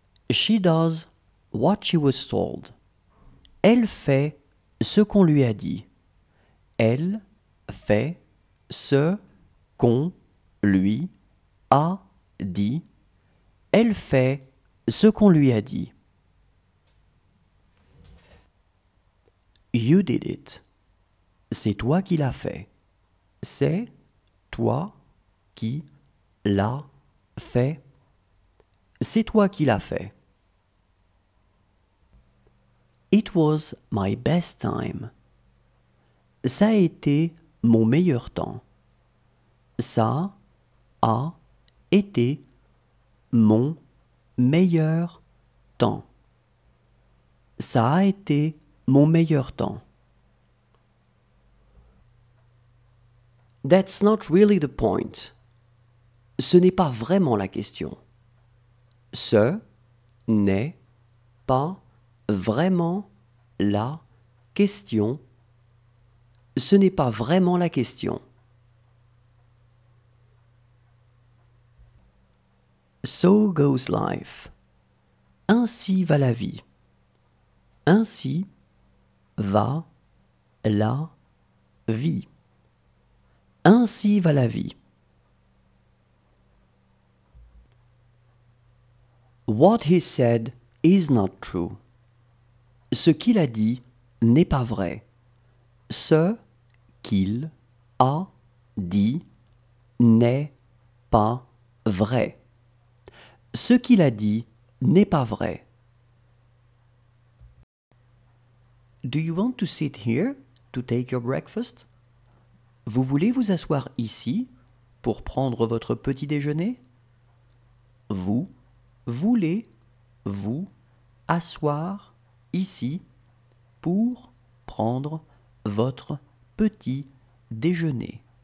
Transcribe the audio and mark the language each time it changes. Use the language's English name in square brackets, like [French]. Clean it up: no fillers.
[English] She does what she was told. [French] Elle fait ce qu'on lui a dit. Elle fait ce qu'on lui a dit. Elle fait ce qu'on lui a dit. [English] You did it. [French] C'est toi qui l'as fait. C'est toi qui l'as fait. C'est toi qui l'as fait. [English] It was my best time. [French] Ça a été mon meilleur temps. Ça a été mon meilleur temps. Ça a été mon meilleur temps. [English] That's not really the point. [French] Ce n'est pas vraiment la question. Ce n'est pas vraiment la question. Ce n'est pas vraiment la question. [English] So goes life. [French] Ainsi va la vie. Ainsi va la vie. Ainsi va la vie. [English] What he said is not true. [French] Ce qu'il a dit n'est pas vrai. Ce qu'il A dit n'est pas vrai. Ce qu'il a dit n'est pas vrai. [English] Do you want to sit here to take your breakfast? [French] Vous voulez vous asseoir ici pour prendre votre petit déjeuner? Vous voulez vous asseoir ici pour prendre votre petit déjeuner.